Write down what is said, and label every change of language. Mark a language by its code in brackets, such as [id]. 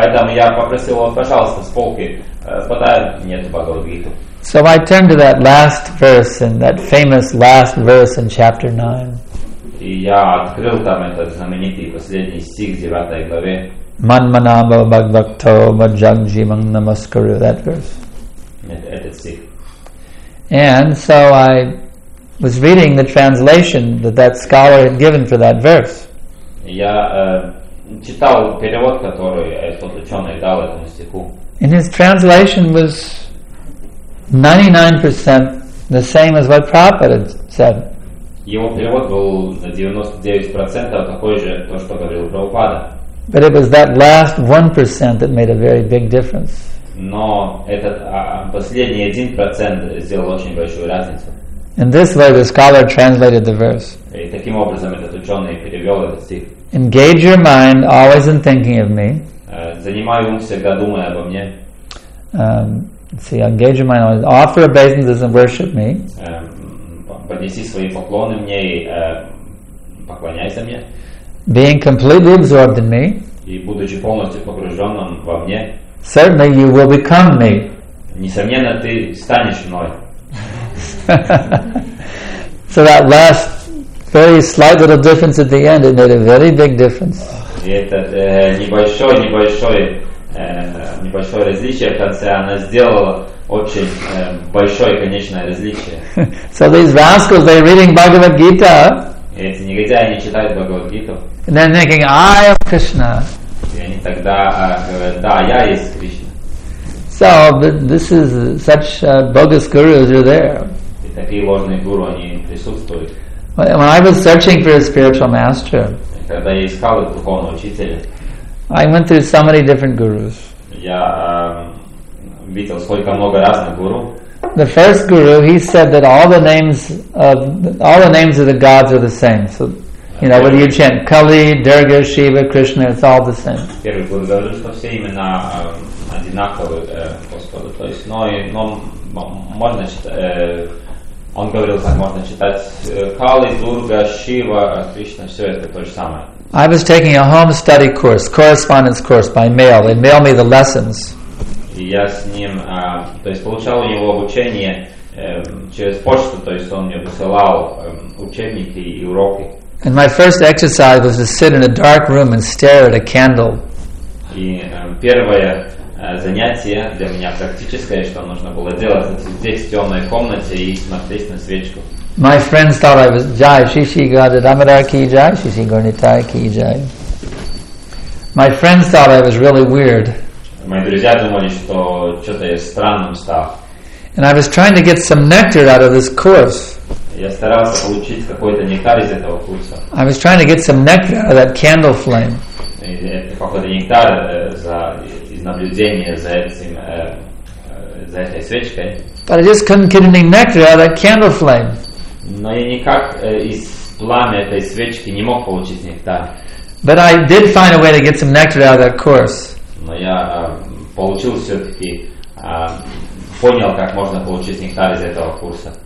[ru] Поэтому я попросил его, пожалуйста, с полки, подай мне эту Бхагавад Гиту. [en] So I turned to that last verse, and that famous last verse in chapter 9. [ru] И я открыл там этот знаменитый последний стих в 9 главе. [sa] Манманама бхагвакто маджанджи маннамаскару, [en] that verse. [ru] Этот стих. [en] And so I was reading the translation that scholar had given for that verse. [ru] Я читал перевод, который этот ученый дал этому стиху. [en] And his translation was 99% the same as what Prabhupada had said. [ru] Его перевод был на 99% такой же, то, что говорил Прабхупада. [en] But it was that last 1% that made a very big difference. [ru] Но этот последний 1% сделал очень большую разницу. [en] In this way, the scholar translated the verse. [ru] И таким образом этот ученый перевел этот стих. [en] Engage your mind always in thinking of me. [ru] Занимай ум всегда, думай обо мне. [en] Engage your mind always. Offer obeisances and worship me. [ru] Поднеси свои поклоны мне и поклоняйся мне. [en] Being completely absorbed in me. [ru] И будучи полностью погруженным во мне. [en] Certainly you will become me. [ru] Несомненно, ты станешь мной. [en] So that last very slight little difference at the end, it made a very big difference. [ru] И это небольшое различие в конце, она сделала очень большое конечное различие. [en] So these rascals, they're reading Bhagavad Gita. [ru] Эти негодяи, они читают Бхагавад Гиту. [en] And they're thinking, I am Krishna. [ru] И они тогда говорят, да, я есть Кришна. [en] So, but this is such bogus gurus are there. [ru] И такие ложные гуру, они присутствуют. [en] When I was searching for a spiritual master, [ru] когда я искал духовного учителя, [en] I went through so many different gurus. [ru] Я видел сколько много разных гуру. [en] The first guru, he said that all the names of the gods are the same. So, you know, whether you chant Kali, Durga, Shiva, Krishna, it's all the same. [ru] Первый гуру говорил, что все имена одинаковые, Господу. То есть, но можно читать. Он говорил, так можно читать Кали, Дурга, Шива, Кришна. Все это то же самое. [en] I was taking a home study course, correspondence course by mail. They mail me the lessons. [ru] Я с ним, то есть получал у него обучение через почту, то есть он мне посылал учебники и уроки. [en] And my first exercise was to sit in a dark room and stare at a candle. [ru] И первое занятие для меня практическое, что нужно было делать, это сидеть в темной комнате и смотреть на свечку. [en] My friends thought I was [hi] Jai Shishi Gada Damodar Ki Jai Shishi Gornitai Ki Jai. [en] My friends thought I was really weird. [ru] Мои друзья думали, что что-то я странным стал. [en] And I was trying to get some nectar out of this course. [ru] Я старался получить какой-то нектар из этого курса. [en] I was trying to get some nectar out of that candle flame. [ru] Какой-то нектар из наблюдения за этой свечкой. [en] But I just couldn't get any nectar out of that candle flame. [ru] Но я никак из пламя этой свечки не мог получить нектар. [en] But I did find a way to get some nectar out of that course. [ru] Но я получил все-таки, понял, как можно получить нектар из этого курса.